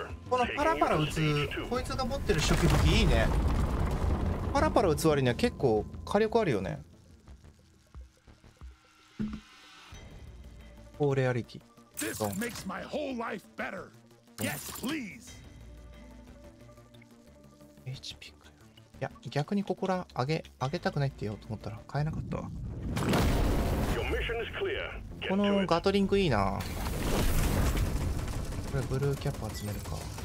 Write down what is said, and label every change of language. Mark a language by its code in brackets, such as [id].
[ja] このパラパラ撃つ、こいつが持ってる初期武器いいね。パラパラ撃つ割には結構火力あるよね。フォーレアリティ。 [en] This makes my whole life better. Yes, please. [ja] HP かよ。いや、逆にここら上げたくないって言おうと思ったら買えなかったわ。 [en] Your mission is clear. [ja] このガトリングいいな。これブルーキャップ集めるか。